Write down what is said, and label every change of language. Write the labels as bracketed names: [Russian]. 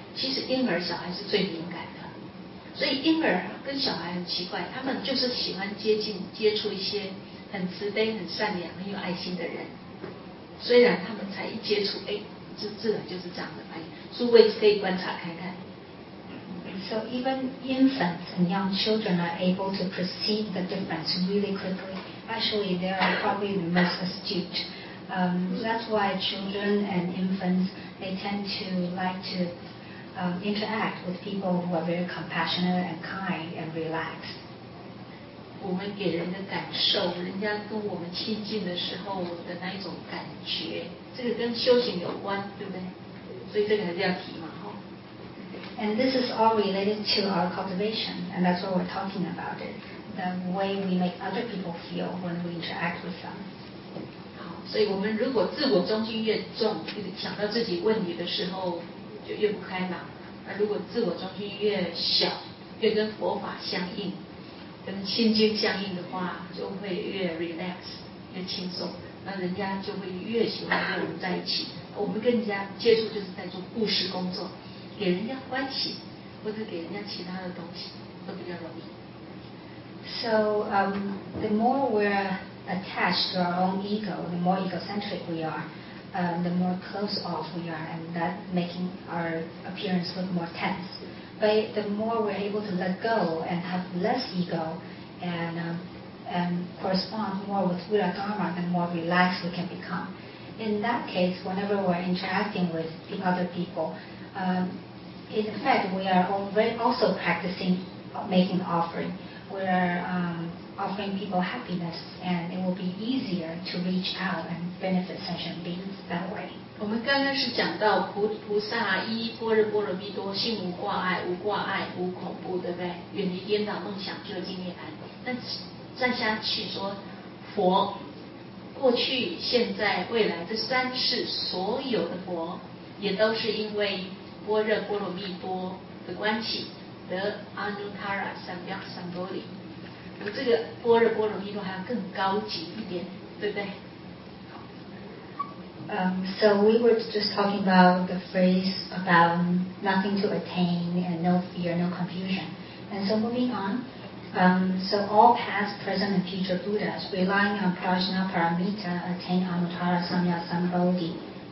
[Chinese] 其实婴儿小孩是最敏感的，所以婴儿跟小孩很奇怪，他们就是喜欢接触一些很慈悲、很善良、很有爱心的人。虽然他们才一接触，哎，自然就是这样的反应。 [English] So even infants and young children are able to perceive the difference really quickly. Actually, they are probably the most astute. That's why children and infants, they tend to like to interact with people who are very compassionate and kind and relaxed. [Chinese] 我们给人的感受，人家跟我们亲近的时候的那一种感觉，这个跟修行有关，对不对？所以这个还是要提嘛， [English] And this is all related to our cultivation, and that's what we're talking about it, the way we make other people feel when we interact with them. [Chinese] 好，所以我们如果自我中心越重，越想到自己问题的时候就越不开朗。那如果自我中心越小，越跟佛法相应，跟心经相应的话，就会越 relax, 越轻松。那人家就会越喜欢跟我们在一起。我们跟人家接触就是在做布施工作，给人家欢喜，或者给人家其他的东西，都比较容易。 [English] So, the more we're attached to our own ego, the more egocentric we are, the more close off we are, and that making our appearance look more tense. But the more we're able to let go and have less ego, and correspond more with Buddha Dharma, the more relaxed we can become. In that case, whenever we're interacting with the other people, in fact, we are also practicing making offering. We are offering people happiness, and it will be easier to reach out and benefit sentient beings that way. [Chinese] 我们刚刚是讲到菩萨依般若波罗蜜多心无挂碍，无挂碍，无恐怖，对不对？远离颠倒梦想，究竟涅槃。那再下去说佛。过去、现在、未来这三世所有的佛，也都是因为般若波罗蜜多的关系得阿努塔拉三藐三菩提。我这个般若波罗蜜多还要更高级一点，对不对？ [English] So we were just talking about the phrase about nothing to attain and no fear, no confusion. And so moving on. So all past, present, and future Buddhas, relying on Prajnaparamita, attain Anuttara Samyasambodhi.